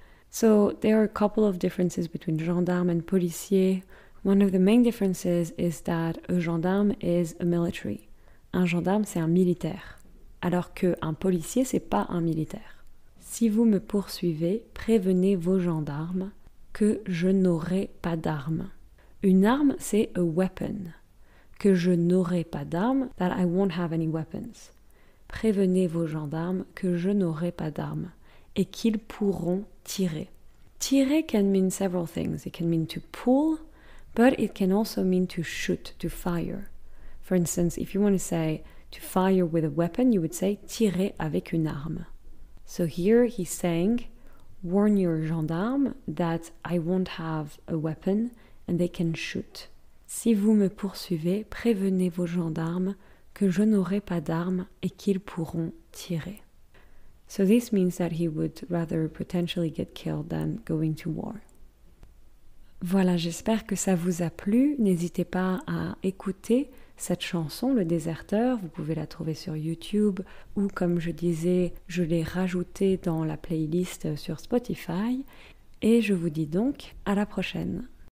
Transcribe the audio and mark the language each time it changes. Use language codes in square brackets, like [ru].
[en] So, there are a couple of differences between gendarme and policier. One of the main differences is that a gendarme is a military. [fr] Un gendarme, c'est un militaire. Alors qu'un policier, c'est pas un militaire. Si vous me poursuivez, prévenez vos gendarmes que je n'aurai pas d'armes. Une arme, c'est [en] a weapon. [fr] Que je n'aurai pas d'armes, [en] that I won't have any weapons. [fr] Prévenez vos gendarmes que je n'aurai pas d'armes et qu'ils pourront tirer. [en] Tirer can mean several things. It can mean to pull, but it can also mean to shoot, to fire. For instance, if you want to say to fire with a weapon, you would say [fr] tirer avec une arme. [en] So here he's saying, warn your gendarmes that I won't have a weapon and they can shoot. [fr] Si vous me poursuivez, prévenez vos gendarmes que je n'aurai pas d'armes et qu'ils pourront tirer. [en] So this means that he would rather potentially get killed than going to war. [fr] Voilà, j'espère que ça vous a plu. N'hésitez pas à écouter cette chanson, Le Déserteur. Vous pouvez la trouver sur YouTube ou, comme je disais, je l'ai rajoutée dans la playlist sur Spotify. Et je vous dis donc à la prochaine.